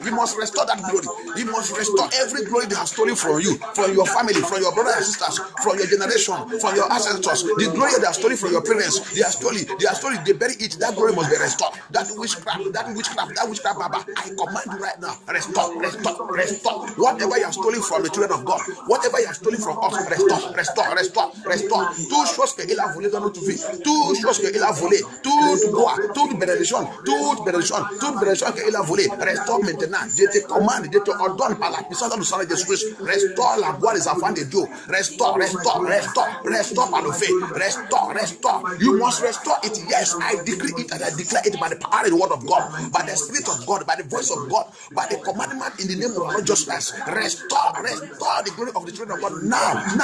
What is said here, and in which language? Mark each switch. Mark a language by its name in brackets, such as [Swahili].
[English] He must restore that glory. He must restore every glory they have stolen from you, from your family, from your brothers and sisters, from your generation, from your ancestors. The glory they have stolen from your parents, they are stolen, they bury it. That glory must be restored. That witchcraft, Baba, I command you right now, restore. Whatever you have stolen from the children of God, whatever you have stolen from us, restore. [French] Tout chose que il a volé dans notre vie, tout chose que il a volé, toute bénédiction que il a volé, [English] restore [French] maintenant. Je te commande, je te ordonne par la puissance du sang de Jésus-Christ, [English] restore [French] la gloire des enfants de Dieu, restore par le feu, restore. [English] You must restore it. Yes, I decree it and I declare it by the power and the word of God, by the spirit of God, by the voice of God, by the commandment in the name of Lord Jesus Christ. Restore the glory of the children of God now.